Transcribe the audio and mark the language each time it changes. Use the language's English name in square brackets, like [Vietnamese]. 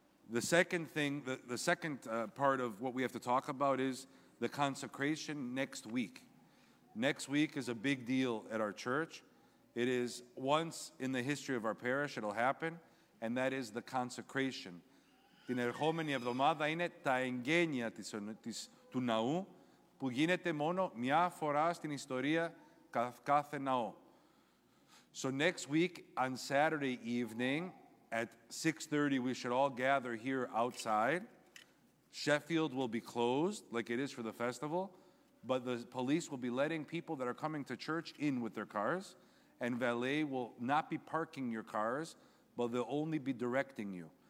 [English] The second thing, the second part of what we have to talk about is the consecration next week. Next week is a big deal at our church. It is once in the history of our parish it'll happen, and that is the consecration. [Greek] Την ερχόμενη εβδομάδα είναι τα εγγένεια του ναού που γίνεται μόνο μια φορά στην ιστορία κάθε ναό. [English] So next week on Saturday evening at 6:30 we should all gather here outside. Sheffield will be closed like it is for the festival, but the police will be letting people that are coming to church in with their cars, and valet will not be parking your cars, but they'll only be directing you.